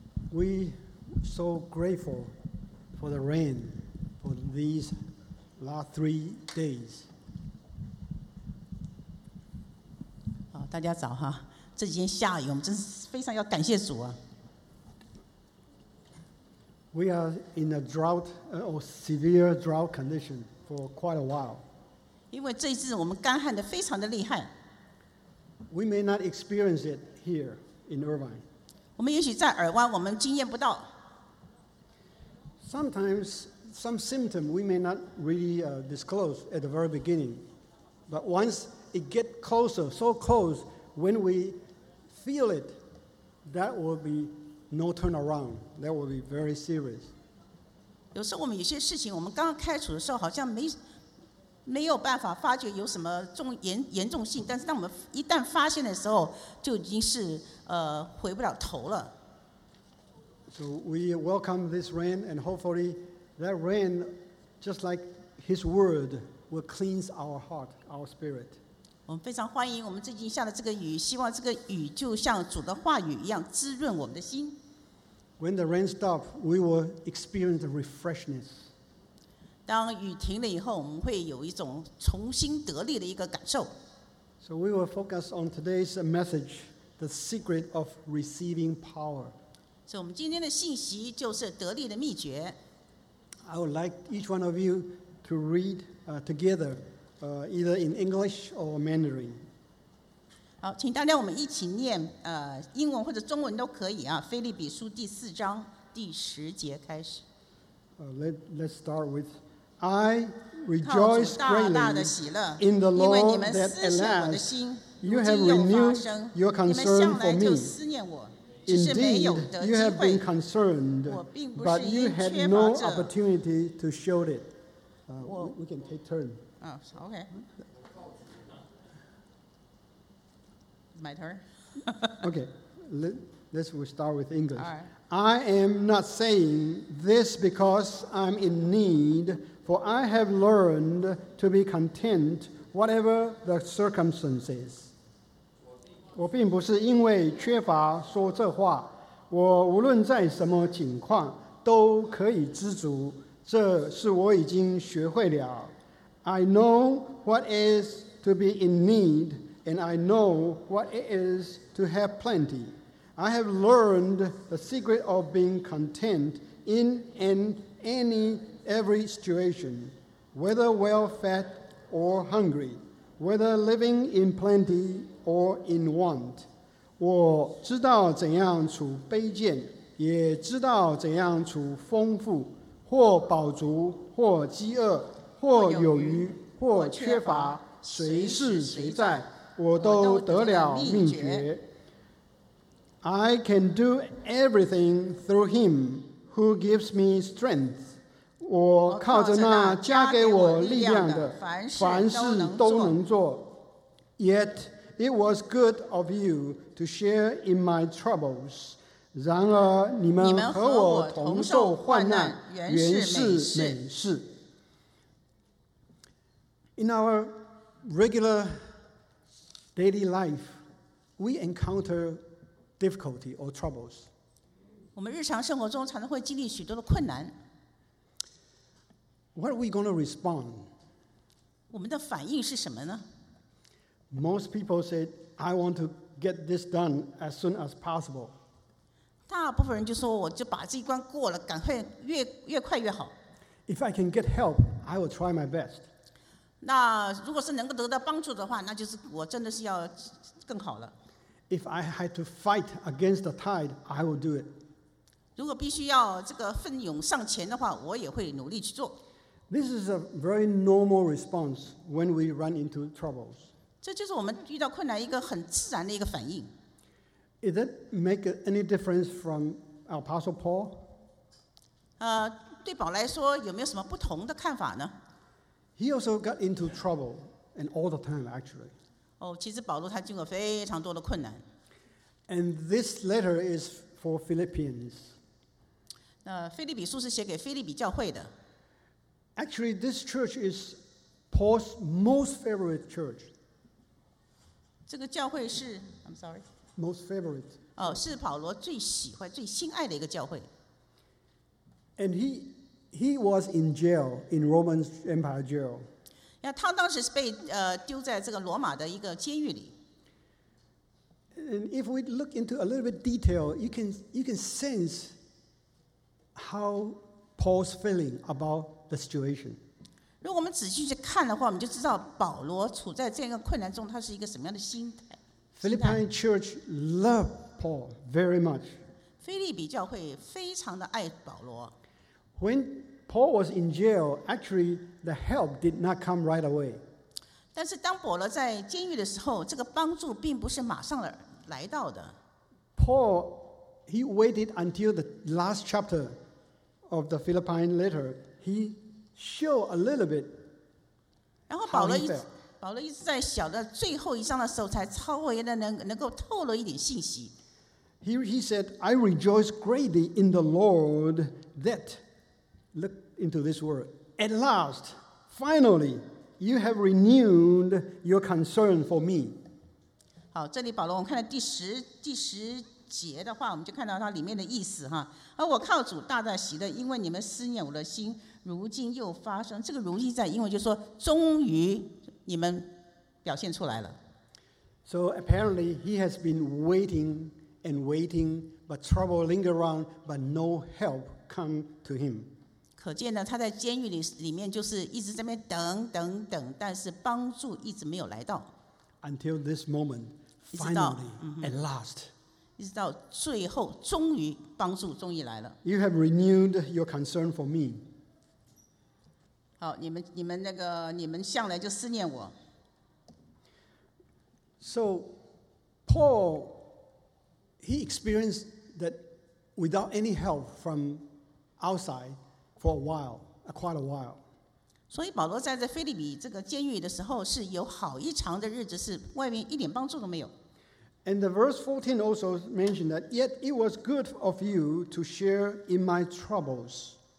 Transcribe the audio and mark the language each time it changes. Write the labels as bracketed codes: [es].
[en] We so grateful for the rain for these last 3 days. [zh] 好，大家早哈。这几天下雨，我们真是非常要感谢主啊。 [en] We are in a drought or severe drought condition for quite a while. [zh] 因为这一次我们干旱的非常的厉害。 [en] We may not experience it here in Irvine. [zh] 我们也许在尔湾，我们经验不到。 [en] Sometimes some symptom we may not really disclose at the very beginning, but once it gets closer, so close, when we feel it, that will be no turnaround. That will be very serious. [zh] 有时候我们有些事情，我们刚刚开始的时候好像没有办法发觉有什么重严重性，但是当我们一旦发现的时候，就已经是回不了头了。 [en] So we welcome this rain, and hopefully that rain, just like His word, will cleanse our heart, our spirit. [zh] 我们非常欢迎我们最近下的这个雨，希望这个雨就像主的话语一样滋润我们的心。 [en] When the rain stops, we will experience refreshness. [zh] 当雨停了以后，我们会有一种重新得力的一个感受。 [en] So we will focus on today's message, the secret of receiving power. [zh] 所以我们今天的信息就是得力的秘诀。 [en] I would like each one of you to read together, either in English or Mandarin. [zh] 好，请大家我们一起念，英文或者中文都可以啊。腓立比书第四章第十节开始。 [en] Let's start with. I rejoice greatly in the Lord that at last you have renewed your concern for me. Indeed, you have been concerned, but you had no opportunity to show it. We can take turns. Okay. My turn. Okay. Let's start with English. I am not saying this because I'm in need. For I have learned to be content, whatever the circumstances. [zh] 我并不是因为缺乏说这话，我无论在什么情况都可以知足，这是我已经学会了。 [en] I know what is to be in need, and I know what it is to have plenty. I have learned the secret of being content in every situation, whether well-fed or hungry, whether living in plenty or in want. [zh] 我知道怎样处卑贱，也知道怎样处丰富，或饱足，或饥饿，或有余，或缺乏，谁是谁在，我都得了秘诀。 [en] I can do everything through him who gives me strength. [zh] 我靠着那加给我力量的，凡事都能做。 [en] Yet it was good of you to share in my troubles. [zh] 然而你们和我同受患难，原是美事。 [en] In our regular daily life, we encounter difficulty or troubles. [zh] 我们日常生活中常常会经历许多的困难。 [en] What are we going to respond? [zh] 我们的反应是什么呢? [en] Most people say, I want to get this done as soon as possible. [zh] 大部分人就说我就把这一关过了，赶快越快越好。 [en] If I can get help, I will try my best. [zh] 那如果是能够得到帮助的话，那就是我真的是要更好了。 [en] If I had to fight against the tide, I will do it. [zh] 如果必须要这个奋勇上前的话，我也会努力去做。 [en] This is a very normal response when we run into troubles. [zh] 这就是我们遇到困难一个很自然的一个反应。 [en] Is that make any difference from Apostle Paul? [zh] 对保来说有没有什么不同的看法呢? [en] He also got into trouble and all the time actually. [zh] 哦，其实保罗他经过非常多的困难。 [en] And this letter is for Philippians. [zh] 腓立比书是写给腓立比教会的。 [en] Actually, this church is Paul's most favorite church. [zh] 这个教会是 [en] most favorite. [zh] 哦，是保罗最喜欢、最心爱的一个教会。 [en] And he was in jail in Roman Empire jail. [zh] 那他当时是被丢在这个罗马的一个监狱里。 [en] And if we look into a little bit detail, you can sense how Paul's feeling about the situation. [zh] 如果我们仔细去看的话，我们就知道保罗处在这样一个困难中，他是一个什么样的心态。 [en] Philippine church loved Paul very much. [zh] 腓立比教会非常的爱保罗。 [en] When Paul was in jail, actually the help did not come right away. [zh] 但是当保罗在监狱的时候，这个帮助并不是马上来到的。 [en] Paul, he waited until the last chapter of the Philippine letter. He showed a little bit. [zh] 然后保罗一直在小的最后一章的时候，才稍微的能够透露一点信息。 [en] He said, "I rejoice greatly in the Lord that look into this word at last, finally." You have renewed your concern for me. [zh] 好，这里保罗，我们看到第十节的话，我们就看到它里面的意思哈。而我靠主大大喜乐，因为你们思念我的心，如今又发生。这个如今在英文就说，终于你们表现出来了。 [en] So apparently he has been waiting and waiting, but trouble linger around, but no help come to him. [zh] 可见呢，他在监狱里面就是一直在那边等等等，但是帮助一直没有来到。 [en] Until this moment, finally, at last, [zh] 一直到最后，终于帮助终于来了。 [en] You have renewed your concern for me. [zh] 好，你们向来就思念我。 [en] So, Paul, he experienced that without any help from outside. For a while, quite a while. [zh] 所以保罗在这腓立比这个监狱的时候，是有好一长的日子，是外面一点帮助都没有。 [en] And the verse 14 also mentioned that yet it was good of you to share in my troubles.